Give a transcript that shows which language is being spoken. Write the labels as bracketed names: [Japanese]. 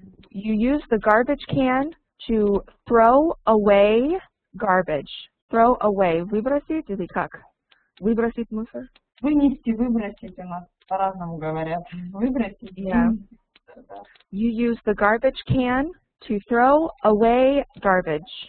[English] You use the garbage can to throw away garbage. Throw away. [Russian] Выбросить или как? Выбросить мусор? Вынести, выбросить, у нас по-разному говорят. Выбросить. [English] Yeah. You use the garbage can to throw away garbage.